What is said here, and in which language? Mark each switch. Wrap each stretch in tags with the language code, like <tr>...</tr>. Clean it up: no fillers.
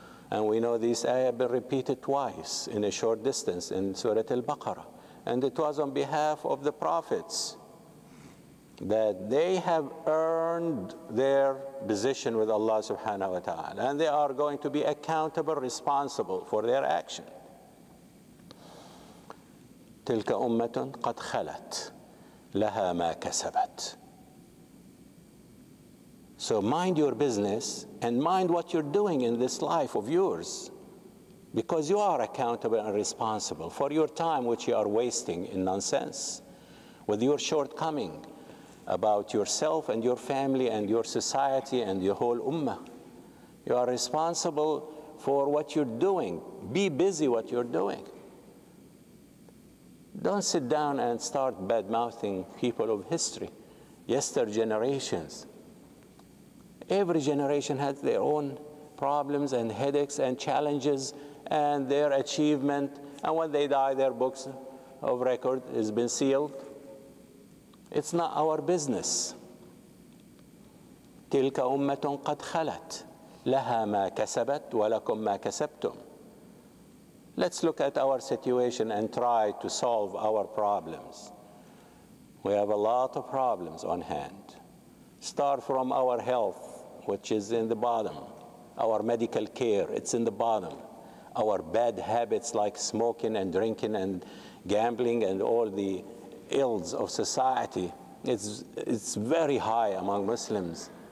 <en>And we know this ayah has been repeated twice in a short distance in Surah Al-Baqarah. And it was on behalf of the prophets that they have earned their position with Allah subhanahu wa ta'ala. And they are going to be accountable, responsible for their action.</en> <ar>تلك أمة قد خلت لها ما كسبت.</ar> <en>So mind your business and mind what you're doing in this life of yours, because you are accountable and responsible for your time which you are wasting in nonsense, with your shortcoming about yourself and your family and your society and your whole ummah. You are responsible for what you're doing. Be busy what you're doing. Don't sit down and start bad-mouthing people of history, yesterday generations. Every generation has their own problems and headaches and challenges and their achievement. And when they die, their books of record has been sealed. It's not our business.</en> <ar>تلك أمة قد خلت لها ما كسبت ولكم ما كسبتم.</ar> <en>Let's look at our situation and try to solve our problems. We have a lot of problems on hand. Start from our health, which is in the bottom. Our medical care, it's in the bottom. Our bad habits like smoking and drinking and gambling and all the ills of society, it's very high among Muslims.</en>